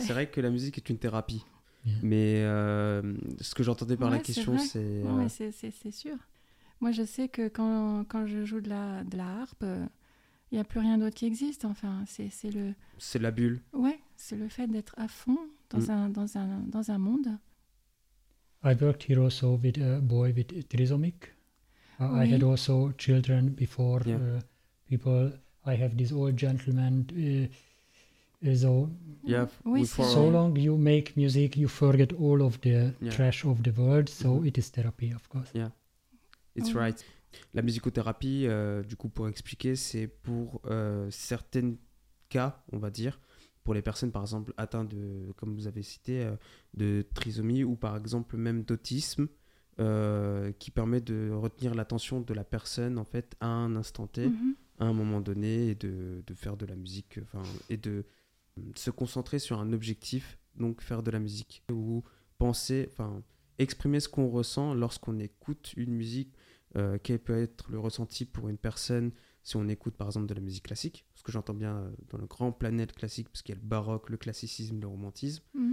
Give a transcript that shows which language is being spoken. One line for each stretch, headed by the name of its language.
French: C'est vrai que la musique est une thérapie. Yeah. Mais ce que j'entendais par la question, c'est... Oui, c'est sûr. Moi, je sais que quand je joue de la harpe, il n'y a plus rien d'autre qui existe. Enfin, c'est la bulle. Ouais, c'est le fait d'être à fond dans un monde.
English: I worked here also with a boy with a trisomic. I had also children before people. I have this old gentleman. Long you make music, you forget all of the trash of the world. So it is therapy, of course. Yeah, it's right.
French: La musicothérapie, du coup, pour expliquer, c'est pour certains cas, on va dire, pour les personnes, par exemple, atteintes de, comme vous avez cité, de trisomie ou par exemple même d'autisme. Qui permet de retenir l'attention de la personne en fait à un instant T, à un moment donné, et de faire de la musique, et de se concentrer sur un objectif, donc faire de la musique, ou penser, exprimer ce qu'on ressent lorsqu'on écoute une musique, quel peut être le ressenti pour une personne si on écoute par exemple de la musique classique, ce que j'entends bien dans le grand planète classique, parce qu'il y a le baroque, le classicisme, le romantisme.